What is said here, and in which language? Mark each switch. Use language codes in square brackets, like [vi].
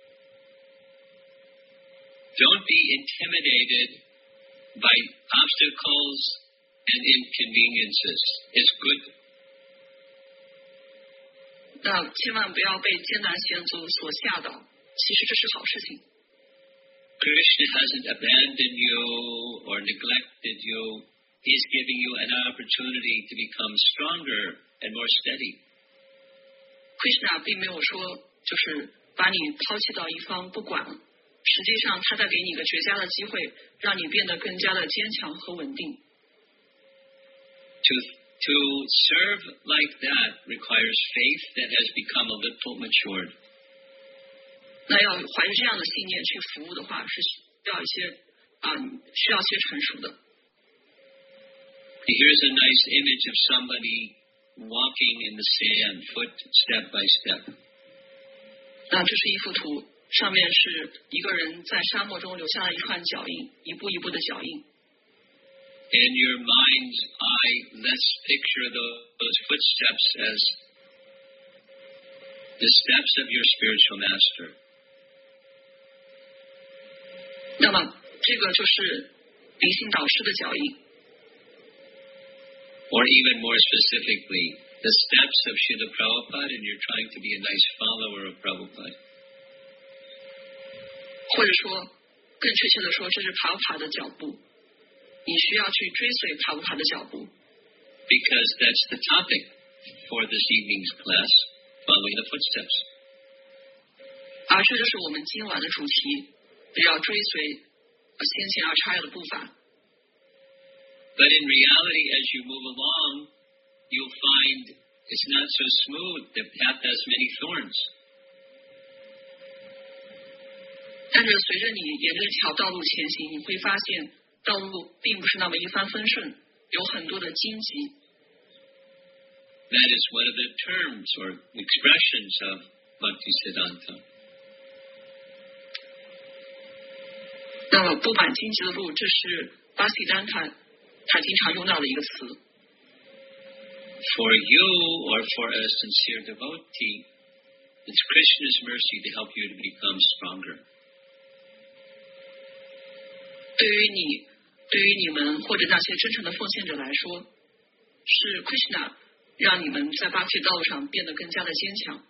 [en] Don't be intimidated by obstacles and inconveniences. It's good. [zh] 那千万不要被艰难险阻所吓倒，其实这是好事情。 [en] Krishna hasn't abandoned you or neglected you. He's giving you an opportunity to become stronger and more steady. [zh] Krishna 并没有说就是把你抛弃到一方不管，实际上他在给你一个绝佳的机会，让你变得更加的坚强和稳定。 [en] To serve like that requires faith that has become a little matured. [zh] 那要怀着这样的信念去服务的话，是需要一些成熟的。 [en] Here's a nice image of somebody walking in the sand, foot step by step. [zh] 那这是一幅图，上面是一个人在沙漠中留下了一串脚印，一步一步的脚印。 [en] In your mind's eye, let's picture those footsteps as the steps of your spiritual master. [zh] 那么，这个就是灵性导师的脚印。 [en] Or even more specifically, the steps of Srila Prabhupada, and you're trying to be a nice follower of Prabhupada. [zh] 或者说，更确切的说，这是帕帕的脚步。你需要去追随帕布帕的脚步。 [en] Because that's the topic for this evening's class, following the footsteps. [zh] 而这就是我们今晚的主题，要追随先贤阿差耶的步伐。 [en] But in reality, as you move along, you'll find it's not so smooth, the path has many thorns. [zh] 但是随着你沿着条道路前行，你会发现道路并不是那么一帆风顺，有很多的荆棘。 [en] That is one of the terms or expressions of Bhaktisiddhanta. [zh] 那么布满荆棘的路，这是巴西丹坦他经常用到的一个词。 [en] For you or for a sincere devotee, it's Krishna's mercy to help you to become stronger. [zh] 对于你们或者那些真诚的奉献者来说，是 Krishna 让你们在 Bhakti 道路上变得更加的坚强。